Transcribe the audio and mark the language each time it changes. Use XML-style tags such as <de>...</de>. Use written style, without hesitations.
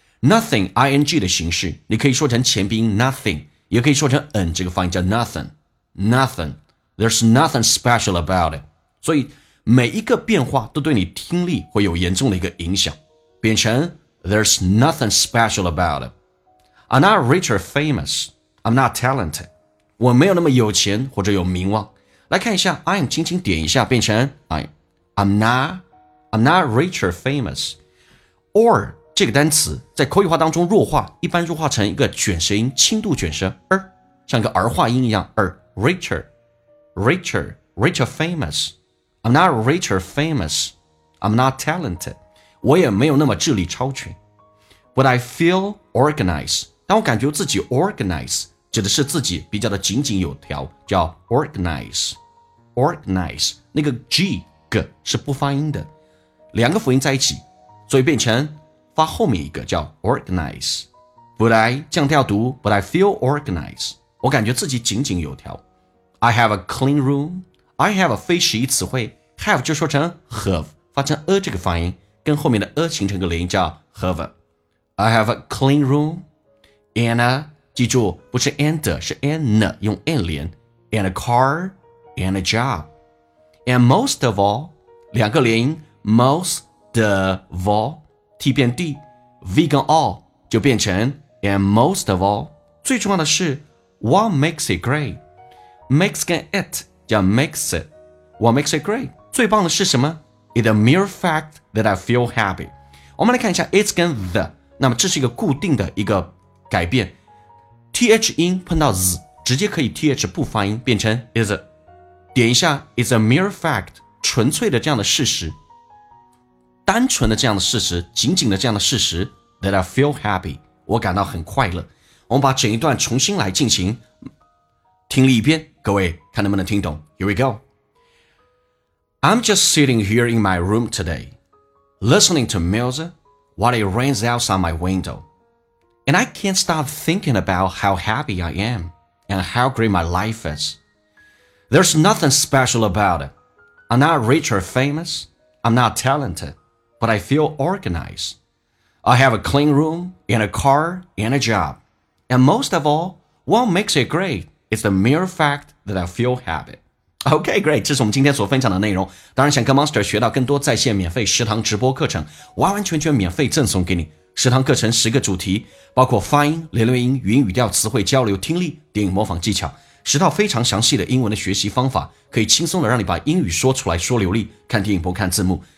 <zh>Nothing ing 的形式，你可以说成前鼻音 nothing， 也可以说成 n 这个发音叫 nothing。</zh> <en>Nothing， there's nothing special about it。</en> <zh>所以每一个变化都对你听力会有严重的一个影响，变成</zh> <en>there's nothing special about it。 I'm not rich or famous， I'm not talented，</en> <zh>我没有那么有钱或者有名望。来看一下 I'm 轻轻点一下，变成</zh> <en>I'm not rich or famous， or。</en> <zh>这个单词在口语化当中弱化，一般弱化成一个卷舌音，轻度卷舌，像个儿化音一样，</zh> <en>richer famous， I'm not richer famous， I'm not talented，</en> <zh>我也没有那么智力超群。</zh> <en>But I feel organized，</en> <zh>但我感觉自己 organize 指的是自己比较的井井有条，叫</zh> <en>organize</en> <zh>那个 g 是不发音的，两个辅音在一起，所以变成发后面一个叫 organize，</zh> <en>but I 降调读 but I feel organized，</en> <zh>我感觉自己井井有条。</zh> <en>I have a clean room.</en> <zh>I have a 非实义词汇 have 就说成 have， 发成 a 这个发音，跟后面的 a 形成个连音叫 have。</zh> <en>I have a clean room. And a 记住不是 and 是 and 用 and 连。 And a car. And a job. And most of all， 两个连音 most of all t 变 d v 跟 all 就变成 and most of all。</en> <zh>最重要的是</zh> <en>what makes it great。 Makes 跟 it 叫 makes it. What makes it great? 最棒的是什么？ It's a mere fact that I feel happy.</en> <zh>我们来看一下 it's 跟 the. 那么这是一个固定的一个改变。 TH 音碰到 z, 直接可以 TH 不发音变成 is it. 点一下</zh> <en>it's a mere fact,</en> <zh>纯粹的这样的事实。单纯的这样的事实，仅仅的这样的事实</zh> <en>that I feel happy.</en> <zh>我感到很快乐。我们把整一段重新来进行。听力一遍，各位看能不能听懂。</zh> <en>Here we go. I'm just sitting here in my room today, listening to music while it rains outside my window. And I can't stop thinking about how happy I am and how great my life is. There's nothing special about it. I'm not rich or famous. I'm not talented, but I feel organized. I have a clean room and a car and a job. And most of all, what makes it great? It's the mere fact that I feel happy. Okay, great.</en> <zh>这是我们今天所分享的内容。当然想跟 Monster 学到更多在线免费食堂直播课程，完完全全免费赠送给你。食堂课程十个主题，包括发音、连连音、语音语调、词汇交流、听力、电影模仿技巧，十套非常详细的英文的学习方法，可以轻松的让你把英语说出来说流利，看电影不看字幕。</zh>